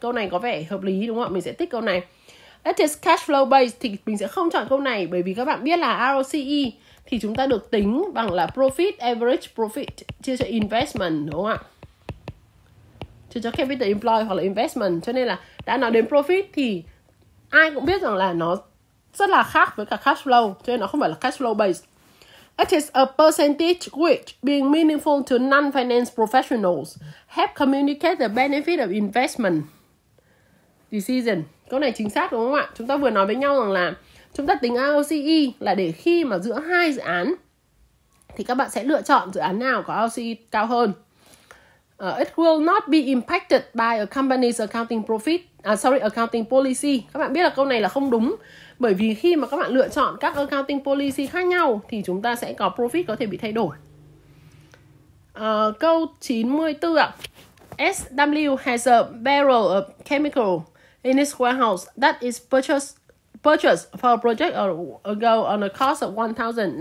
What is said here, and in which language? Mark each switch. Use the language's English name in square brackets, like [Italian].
[Vietnamese] Câu này có vẻ hợp lý đúng không ạ? Mình sẽ tích câu này. [English] It is cash flow based [Vietnamese] thì mình sẽ không chọn câu này, bởi vì các bạn biết là ROCE thì chúng ta được tính bằng là profit, average profit chia cho investment, đúng không ạ? Chia cho capital employed hoặc là investment. Cho nên là đã nói đến profit thì ai cũng biết rằng là nó rất là khác với cả cash flow, cho nên nó không phải là cash flow based. [English] It is a percentage which being meaningful to non-finance professionals have communicated the benefit of investment decision. [Vietnamese] Câu này chính xác đúng không ạ? Chúng ta vừa nói với nhau rằng là chúng ta tính ROCE là để khi mà giữa hai dự án thì các bạn sẽ lựa chọn dự án nào có ROCE cao hơn. [English] It will not be impacted by a company's accounting policy. [Vietnamese] Các bạn biết là câu này là không đúng. Bởi vì khi mà các bạn lựa chọn các accounting policy khác nhau thì chúng ta sẽ có profit có thể bị thay đổi. Câu 94 ạ. [English] SW has a barrel of chemical in its warehouse that is purchased for a project ago on a cost of 1,000.